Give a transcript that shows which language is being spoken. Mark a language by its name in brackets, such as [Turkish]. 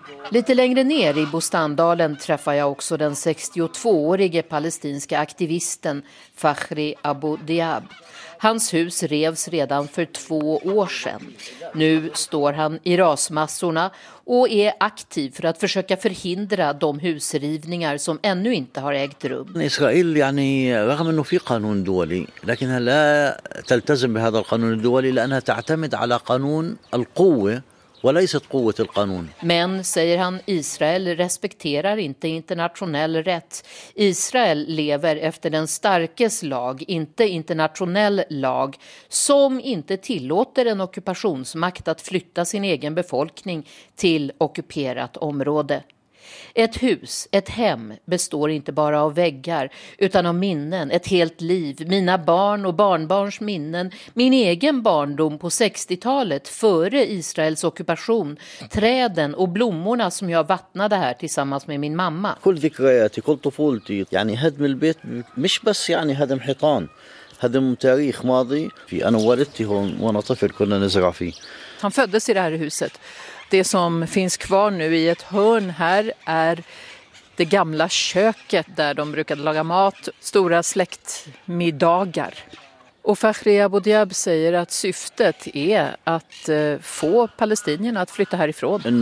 [Swedish] Lite längre ner i Bostandalen träffar jag också den 62-årige palestinska aktivisten Fakhri Abu Diab. Hans hus revs redan för 2 år sedan. Nu står han i rasmassorna och är aktiv för att försöka förhindra de husrivningar som ännu inte har ägt rum. [Arabic] Israel, يعني رغم انه في قانون دولي لكنها لا تلتزم بهذا القانون الدولي لانها تعتمد على قانون القوه وليست قوه القانون. [Swedish] Men säger han, Israel respekterar inte internationell rätt. Israel lever efter den starkes lag, inte internationell lag, som inte tillåter en ockupationsmakt att flytta sin egen befolkning till ockuperat område. Ett hus, ett hem, består inte bara av väggar utan av minnen, ett helt liv, mina barn och barnbarns minnen, min egen barndom på 60-talet före Israels ockupation, träden och blommorna som jag vattnade här tillsammans med min mamma. [Arabic] كل ذكرياتي كل طفولتي يعني هدم البيت مش بس يعني هدم حيطان هدم تاريخ ماضي في انا ولدت هون وانا طفل كنا نزرع فيه. [Swedish] Han föddes i det här huset. Det som finns kvar nu i ett hörn här är det gamla köket där de brukade laga mat, stora släktmiddagar. Och Fakhri Abu Diab säger att syftet är att få palestinierna att flytta härifrån.